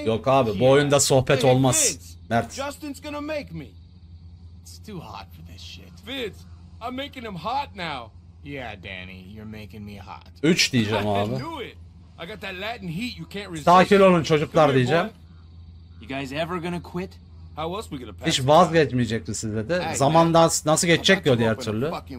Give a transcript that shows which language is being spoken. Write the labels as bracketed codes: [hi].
[tr] Yok abi, bu oyunda sohbet olmaz. [en] Mert. Justin's gonna make me. It's too hot for this shit. Vince, I'm making him hot now. Yeah, Danny, you're making me hot. [tr] 3 diyeceğim abi. [en] I got that Latin heat you can't resist. [tr] Sakin olun çocuklar diyeceğim. [en] You guys ever gonna quit? [tr] Hiç vazgeçmeyecek misin dedi. Zaman nasıl geçecek diyor diğer türlü.